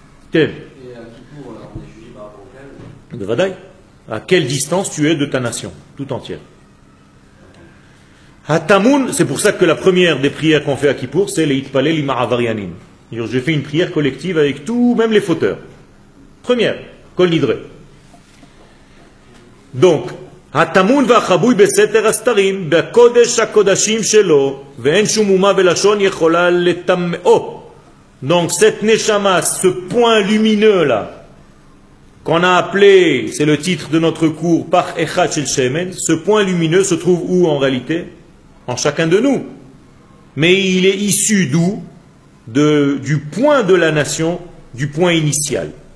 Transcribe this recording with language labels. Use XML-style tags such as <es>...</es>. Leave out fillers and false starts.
<fr>Okay? Et à qui pour, on est jugé par rapport au peuple ? De Vadaï. À quelle distance tu es de ta nation, tout entière ? À Tamoun, c'est pour ça que la première des prières qu'on fait à Kippour, c'est</fr> <he>l'Eit Palel Imar Avarianim.</he> <fr>Je fais une prière collective avec tout, même les fauteurs. Première, Kol Nidre.</fr> <he>Donc, התמון והחבוי בסתר הסתרים בקודש הקודשים שלו ואין שום אומה ולשון יכולה לתמאו.</he> <fr>Donc cette neshama, ce point lumineux là, qu'on a appelé, c'est le titre de notre cours, par</fr> <he>Echad shel Shemen,</he> <fr>ce point lumineux se trouve où en réalité? En chacun de nous. Mais il est issu d'où? Du point de la nation, du point initial.</fr>